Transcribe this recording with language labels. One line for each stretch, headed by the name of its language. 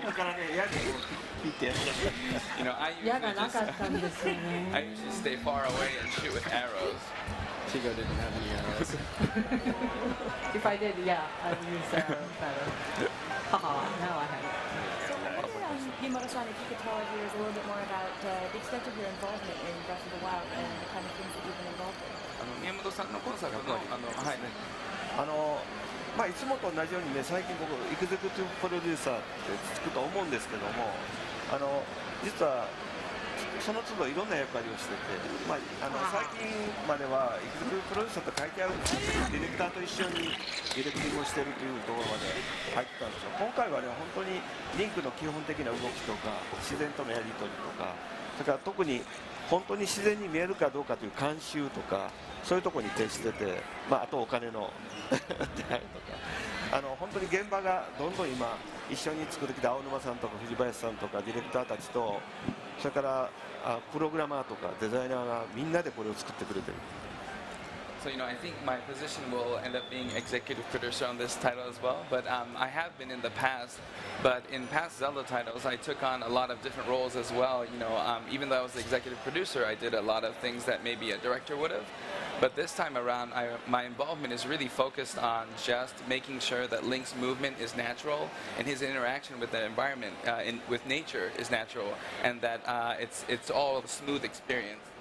English: You know, I usually stay far away and shoot with arrows. Chico didn't have any arrows. If I did, yeah, I would use arrows better. Haha, now I have it. Miyamoto-san, if you could tell our viewers a little bit more about the extent of your involvement in Breath of the Wild and the kind of things that you've been involved in.
Japanese: あの宮本さんのコンサートの、はい、あの、まあ、いつもと同じようにね、最近僕、エグゼクティブプロデューサーってつくと思うんですけども、あの、実は、その都度いろんな役割をしてて、まあ、あの、最近までは、エグゼクティブプロデューサーと書いてあるんですけど、ディレクターと一緒にディレクティングをしてるというところまで入ってたんですよ。今回はね、本当にリンクの基本的な動きとか、自然とのやりとりとか、それから特に、本当に自然に見えるかどうかという監修とかそういうところに徹してて、まあ、あとお金の出会いとか、あの本当に現場がどんどん今一緒に作ってきた青沼さんとか藤林さんとかディレクターたちと、それからプログラマーとかデザイナーがみんなでこれを作ってくれてる。
English: So, you know, I think my position will end up being executive producer on this title as well. But I have been in the past, but in past Zelda titles, I took on a lot of different roles as well. You know, even though I was the executive producer, I did a lot of things that maybe a director would have. But this time around, my involvement is really focused on just making sure that Link's movement is natural and his interaction with the environment, with nature is natural, and that it's all a smooth experience.